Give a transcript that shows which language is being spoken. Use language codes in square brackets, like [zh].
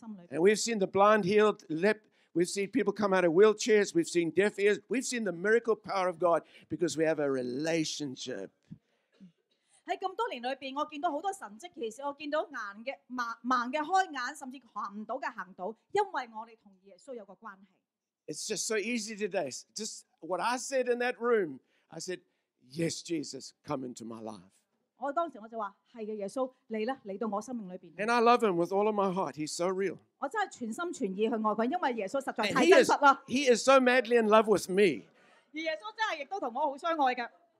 [en] and we've seen the blind healed, we've seen people come out of wheelchairs, we've seen deaf ears, we've seen the miracle power of God because we have a relationship. [zh] 在这么多年里面, 我见到很多神迹奇事, 我见到盲的开眼甚至行不到的行道, 因为我们跟耶稣有个关系。 [en] It's just so easy today. Just what I said in that room, I said, yes, Jesus, come into my life. [zh] 我当时我就说, 是的耶稣, 来吧, 来到我生命里面。 [en] And I love him with all of my heart. He's so real. [zh] 我真的全心全意去爱他, 因为耶稣实在太真实了。 [en] He is so madly in love with me. [zh] 而耶稣真的也跟我很相爱的。